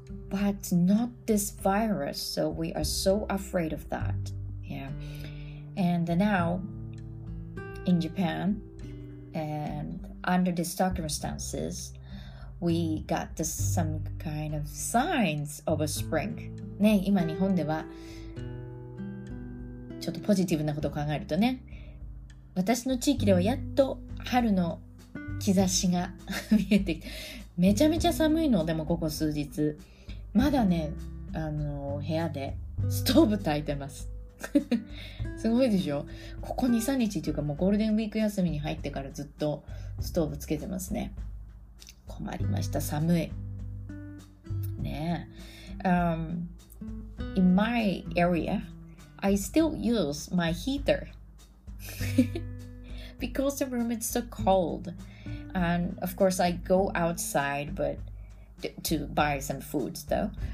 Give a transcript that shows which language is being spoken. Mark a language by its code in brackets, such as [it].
[en] But not this virus, so we are so afraid of that. Yeah. And now in Japan, and under the circumstances, we got this, some kind of signs of a spring. [ja] ね、今日本ではちょっとポジティブなことを考えるとね、私の地域ではやっと春の兆しが見えてきて、めちゃめちゃ寒いの。でもここ数日まだね、部屋でストーブ焚いてますすごいでしょ。ここ 2,3 日というか、もうゴールデンウィーク休みに入ってからずっとストーブつけてますね。困りました、寒いね。 [en] In my area, I still use my heater because the room is so cold. And of course, I go outside but to buy some foods though.